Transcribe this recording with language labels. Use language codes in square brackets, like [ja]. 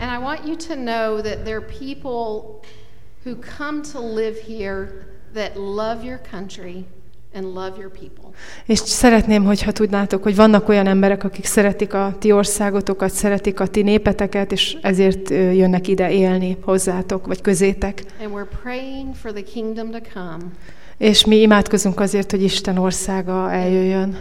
[en] And I want you to know that there are people who come to live here that love your country and love your people. [hu] És szeretném, hogyha tudnátok, hogy vannak olyan emberek, akik szeretik a ti országotokat, szeretik a ti népeteket, és ezért jönnek ide élni hozzátok, vagy közétek. [en] And we're praying for the kingdom to come. [hu] És mi imádkozunk azért, hogy Isten országa eljöjjön.